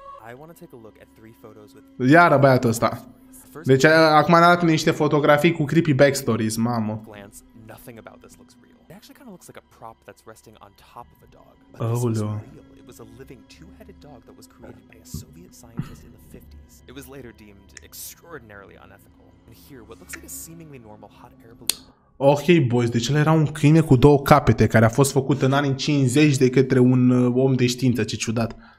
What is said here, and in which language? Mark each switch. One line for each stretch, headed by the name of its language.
English: I want to take a look at three photos with.
Romanian: Iară băiatul ăsta. Deci acum ne arată niște fotografii cu
English: creepy backstories,
Romanian: mamă.
English: Glance, nothing about this looks real. It actually kind of looks like a prop that's resting on top of a dog. Oh, it was a living two-headed dog that was created by a Soviet scientist in the 50s. It was later deemed extraordinarily unethical. And here what looks like a seemingly normal hot air balloon.
Romanian: Ok, boys, deci el era un câine cu două capete care a fost făcut în anii 50 de către un om de știință, ce ciudat.